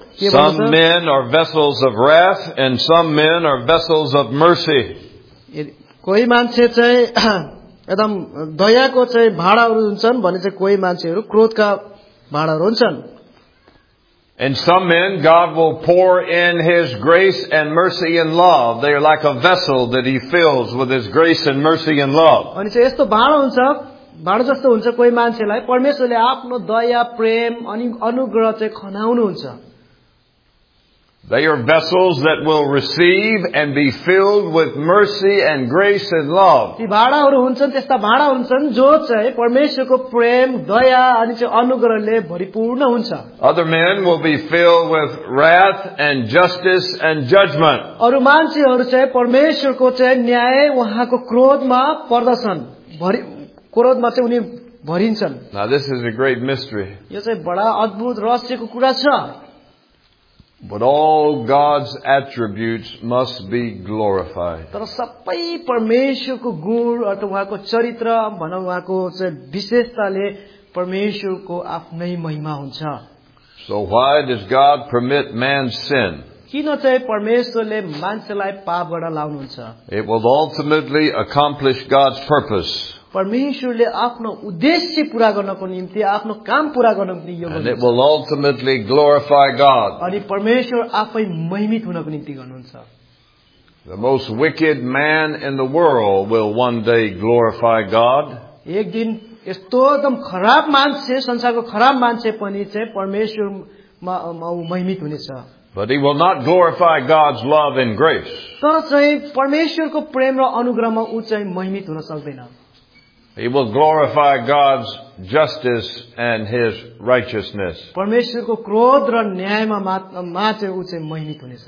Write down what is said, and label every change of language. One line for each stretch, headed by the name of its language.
English: Some men are vessels of wrath and some men are vessels of mercy.
Nepali: कोही मान्छे चाहिँ एकदम दयाको चाहिँ भाँडाहरू हुन्छन् भने चाहिँ कोही मान्छेहरू क्रोधका भाँडाहरू हुन्छन्.
English: And some men God will pour in his grace and mercy and love. They are like a vessel that he fills with his grace and mercy and love.
Nepali: अनि चाहिँ यस्तो भाँडा हुन्छ भाँडो जस्तो हुन्छ कोही मान्छेलाई परमेश्वरले आफ्नो दया प्रेम अनि अनुग्रह चाहिँ खनाउनु हुन्छ.
English: They are vessels that will receive and be filled with mercy and grace and love.
Nepali: ती भाँडाहरू हुन्छन् त्यस्ता भाँडा हुन्छन् जो चाहिँ परमेश्वरको प्रेम दया अनि चाहिँ अनुग्रहले भरिपूर्ण हुन्छ.
English: Other men will be filled with wrath and justice and judgment.
Nepali: अरू मान्छेहरू चाहिँ परमेश्वरको चाहिँ न्याय उहाँको क्रोधमा पर्दछन् भरि क्रोधमा चाहिँ उनी भरिन्छन्.
English: Now this is a great mystery.
Nepali: यो चाहिँ बडा अद्भुत रहस्यको कुरा छ.
English: But all God's attributes must be glorified.
Nepali: तर सबै परमेश्वरको गुण अथवा उहाँको चरित्र भनौँ उहाँको विशेषताले परमेश्वरको आफ्नै महिमा हुन्छ.
English: So why does God permit man's sin?
Nepali: किन चाहिँ परमेश्वरले मान्छेलाई पापबाट लाउनुहुन्छ?
English: It will ultimately accomplish God's purpose.
Nepali: परमेश्वरले आफ्नो उद्देश्य पूरा गर्नको निम्ति आफ्नो काम पूरा गर्नको निम्ति यो गर्नुहुन्छ.
English: And it will ultimately glorify God.
Nepali: अनि परमेश्वर आफै महिमित हुनको निम्ति गर्नुहुन्छ.
English: The most wicked man in the world will one day glorify God.
Nepali: एक दिन यस्तो एकदम खराब मान्छे संसारको खराब मान्छे पनि चाहिँ परमेश्वरमा महिमित हुनेछ.
English: But he will not glorify God's love and grace.
Nepali: तर चाहिँ परमेश्वरको प्रेम र अनुग्रहमा उ चाहिँ महिमित हुन सक्दैन.
English: He will glorify God's justice and his righteousness.
Nepali: परमेश्वरको क्रोध र न्यायमा मा चाहिँ उ चाहिँ महिमित हुनेछ.